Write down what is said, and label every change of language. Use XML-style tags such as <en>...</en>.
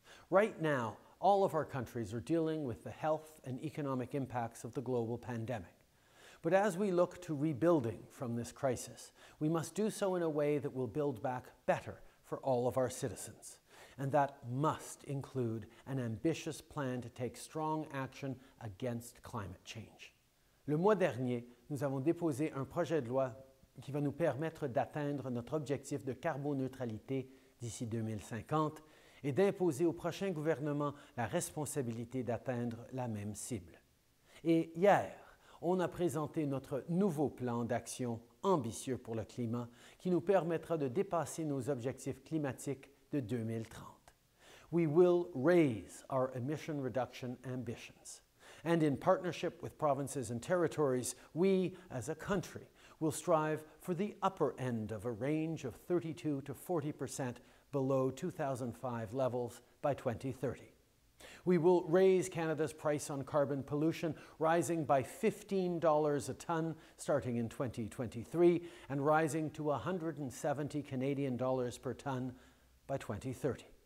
<en>Right now, all of our countries are dealing with the health and economic impacts of the global pandemic. But as we look to rebuilding from this crisis, we must do so in a way that will build back better for all of our citizens. And that must include an ambitious plan to take strong action against climate change.</en> <fr>Le mois dernier, nous avons déposé un projet de loi qui va nous permettre d'atteindre notre objectif de carboneutralité d'ici 2050 et d'imposer au prochain gouvernement la responsabilité d'atteindre la même cible. Et hier, on a présenté notre nouveau plan d'action ambitieux pour le climat qui nous permettra de dépasser nos objectifs climatiques de 2030.</fr> <en>We will raise our emission reduction ambitions. And in partnership with provinces and territories, we, as a country, will strive for the upper end of a range of 32% to 40% below 2005 levels by 2030. We will raise Canada's price on carbon pollution, rising by $15 a ton starting in 2023 and rising to CA$170 per ton by 2030.</en>